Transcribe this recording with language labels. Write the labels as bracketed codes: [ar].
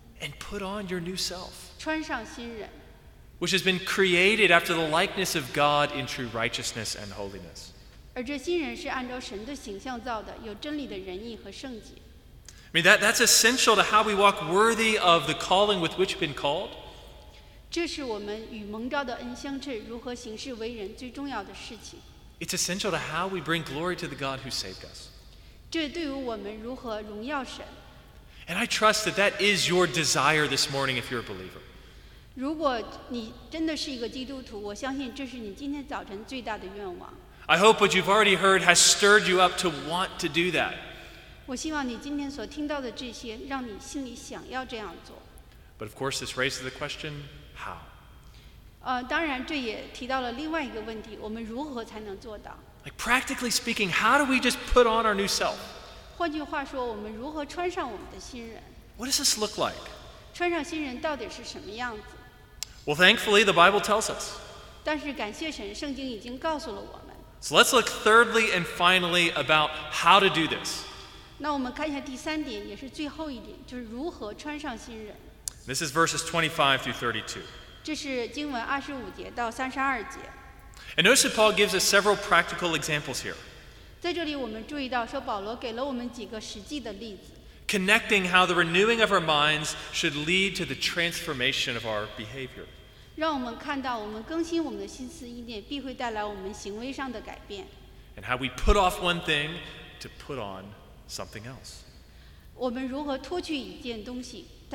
[en] ，and put on your new self， [zh] 穿上新人。 [en] Which has been created after the likeness of God in true righteousness and holiness. [zh] 而这新人是按照神的形象造的，有真理的仁义和圣洁。 [en] I mean, that's essential to how we walk worthy of the calling with which we've been called. [zh] 这是我们与蒙召的恩相称如何行事为人最重要的事情。 [en] It's essential to how we bring glory to the God who saved us. [zh] 这对于我们如何荣耀神。 [en] And I trust that that is your desire this morning if you're a believer. [zh] 如果你真的是一个基督徒，我相信这是你今天早晨最大的愿望。 [en] I hope what you've already heard has stirred you up to want to do that. [zh] 我希望你今天所听到的这些让你心里想要这样做。 [en] But of course, this raises the question, how? [zh] 当然这也提到了另外一个问题，我们如何才能做到？ [en] Like practically speaking, how do we just put on our new self? [zh] 换句话说，我们如何穿上我们的新人？ [en] What does this look like? [zh] 穿上新人到底是什么样子？ [en] Well, thankfully, the Bible tells us. [zh] 但是感谢神，圣经已经告诉了我们。 [en] So let's look thirdly and finally about how to do this. [zh] 那我们看一下第三点，也是最后一点，就是如何穿上新人。 [en] This is verses 25 through 32. [zh] 这是经文二十五节到三十二节。 [en] And notice that Paul gives us several practical examples here. [zh] 在这里我们注意到，说保罗给了我们几个实际的例子。 [en] Connecting how the renewing of our minds should lead to the transformation of our behavior. [zh] 让我们看到，我们更新我们的心思意念，必会带来我们行为上的改变。 [en] And how we put off one thing to put on something else. [zh] 我们如何脱去一件东西？